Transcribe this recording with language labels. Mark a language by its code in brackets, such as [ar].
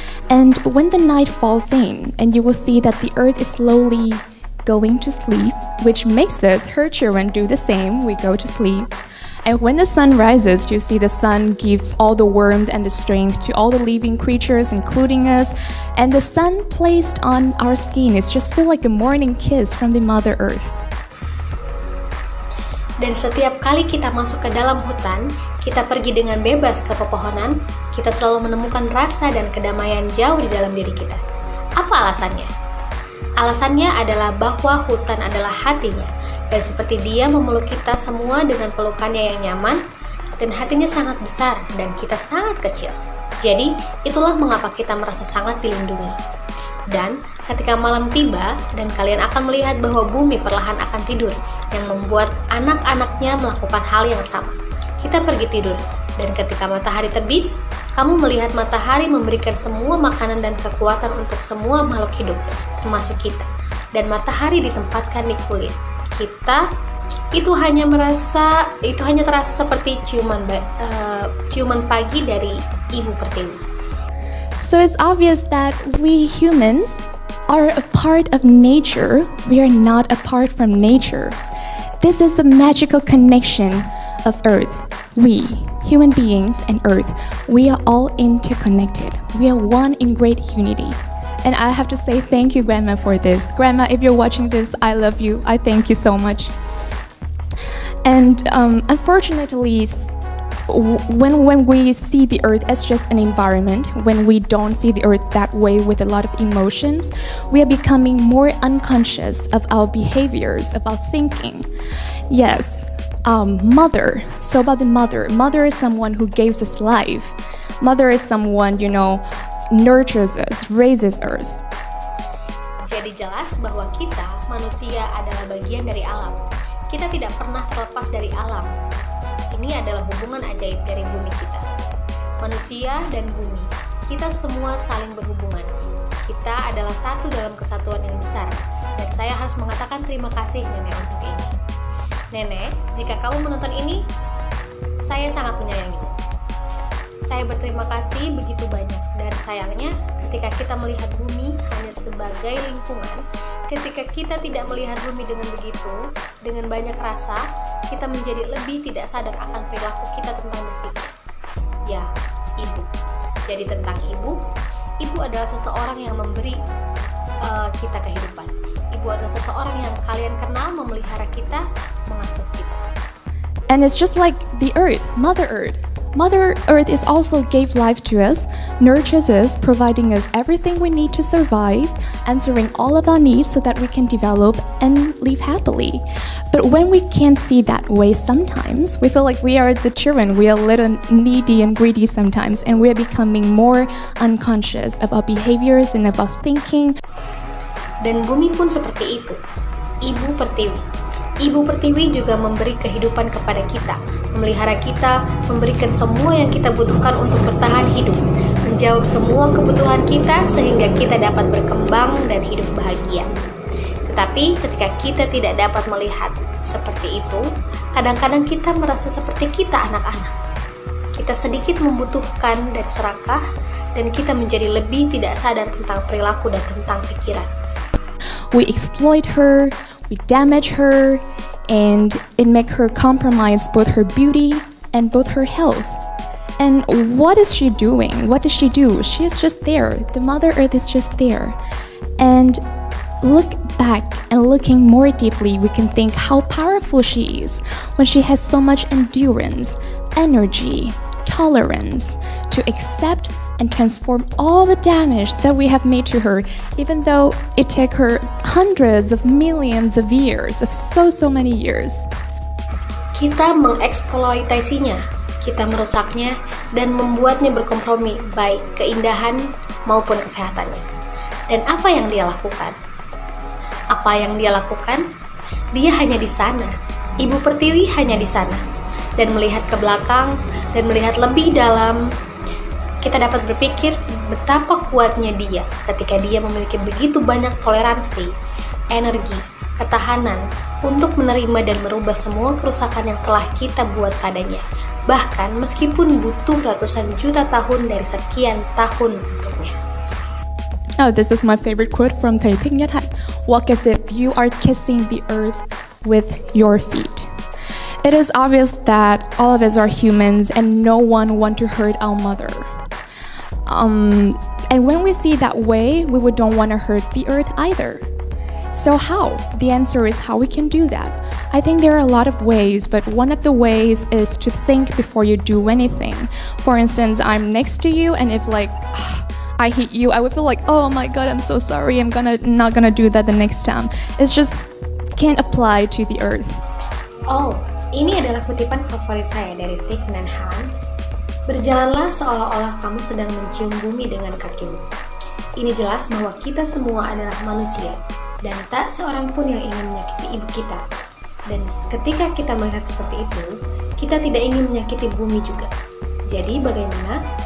[en] And when the night falls in and you will see that the earth is slowly going to sleep, which makes us, her children, do the same, we go to sleep. And when the sun rises, you see the sun gives all the warmth and the strength to all the living creatures, including us. And the sun placed on our skin is just feel like a morning kiss from the Mother Earth. [id] Dan setiap kali kita masuk ke dalam hutan, kita pergi dengan bebas ke pepohonan, kita selalu menemukan rasa dan kedamaian jauh di dalam diri kita. Apa alasannya? Alasannya adalah bahwa hutan adalah hatinya. Dan seperti dia memeluk kita semua dengan pelukannya yang nyaman, dan hatinya sangat besar dan kita sangat kecil. Jadi, itulah mengapa kita merasa sangat dilindungi. Dan ketika malam tiba, dan kalian akan melihat bahwa bumi perlahan akan tidur, yang membuat anak-anaknya melakukan hal yang sama. Kita pergi tidur, dan ketika matahari terbit, kamu melihat matahari memberikan semua makanan dan kekuatan untuk semua makhluk hidup, termasuk kita. Dan matahari ditempatkan di kulit. Kita itu hanya terasa seperti ciuman pagi dari Ibu Pertiwi. [en] So it's obvious that we humans are a part of nature. We are not apart from nature. This is a magical connection of Earth. We human beings and Earth, we are all interconnected. We are one in great unity. And I have to say thank you, Grandma, for this. Grandma, if you're watching this, I love you. I thank you so much. And unfortunately, when we see the earth as just an environment, when we don't see the earth that way with a lot of emotions, we are becoming more unconscious of our behaviors, of our thinking. Yes, mother. So about the mother. Mother is someone who gives us life. Mother is someone, you know, nurtures us, raises us. [id] Jadi jelas bahwa kita, manusia, adalah bagian dari alam. Kita tidak pernah terlepas dari alam. Ini adalah hubungan ajaib dari bumi kita. Manusia dan bumi, kita semua saling berhubungan. Kita adalah satu dalam kesatuan yang besar. Dan saya harus mengatakan terima kasih, Nenek, untuk ini. Nenek, jika kamu menonton ini, saya sangat menyayangimu. Saya berterima kasih begitu banyak. Dan sayangnya, ketika kita melihat bumi hanya sebagai lingkungan, ketika kita tidak melihat bumi dengan begitu, dengan banyak rasa, kita menjadi lebih tidak sadar akan perilaku kita tentang berpikir. Ya, ibu. Jadi tentang ibu, ibu adalah seseorang yang memberi kita kehidupan. Ibu adalah seseorang yang kalian kenal, memelihara kita, mengasuh kita. [en] And it's just like the earth, Mother Earth. Mother Earth is also gave life to us, nurtures us, providing us everything we need to survive, answering all of our needs so that we can develop and live happily. But when we can't see that way sometimes, we feel like we are the children, we are a little needy and greedy sometimes, and we are becoming more unconscious of our behaviors and of our thinking. [id] Dan bumi pun seperti itu. Ibu Pertiwi. Ibu Pertiwi juga memberi kehidupan kepada kita, memelihara kita, memberikan semua yang kita butuhkan untuk bertahan hidup, menjawab semua kebutuhan kita sehingga kita dapat berkembang dan hidup bahagia. Tetapi ketika kita tidak dapat melihat seperti itu, kadang-kadang kita merasa seperti kita anak-anak. Kita sedikit membutuhkan dan serakah, dan kita menjadi lebih tidak sadar tentang perilaku dan tentang pikiran. [en] We exploit her, we damage her, and it make her compromise both her beauty and both her health. And what is she doing? What does she do? She is just there. The Mother Earth is just there. And look back and looking more deeply, we can think how powerful she is when she has so much endurance, energy, tolerance to accept and transform all the damage that we have made to her, even though it took her hundreds of millions of years, of so many years. [id] Kita mengeksploitasinya, kita merusaknya, dan membuatnya berkompromi baik keindahan maupun kesehatannya. Dan apa yang dia lakukan? Apa yang dia lakukan? Dia hanya di sana. Ibu Pertiwi hanya di sana. Dan melihat ke belakang, dan melihat lebih dalam, kita dapat berpikir betapa kuatnya dia ketika dia memiliki begitu banyak toleransi, energi, ketahanan untuk menerima dan merubah semua kerusakan yang telah kita buat padanya. Bahkan meskipun butuh ratusan juta tahun dari sekian tahun untuknya. [en] Oh, this is my favorite quote from Thay Thich Nhat Hanh. Walk as if you are kissing the earth with your feet. It is obvious that all of us are humans and no one want to hurt our mother. And when we see that way, we would don't want to hurt the earth either. So how? The answer is how we can do that. I think there are a lot of ways, but one of the ways is to think before you do anything. For instance, I'm next to you, and if like I hit you, I would feel like, oh my god, I'm so sorry, I'm gonna not gonna do that the next time. It just can't apply to the earth. [id] Oh, ini adalah kutipan favorit saya dari Thich Nhat Hanh. Berjalanlah seolah-olah kamu sedang mencium bumi dengan kakimu. Ini jelas bahwa kita semua adalah manusia, dan tak seorang pun yang ingin menyakiti ibu kita. Dan ketika kita melihat seperti itu, kita tidak ingin menyakiti bumi juga. Jadi bagaimana?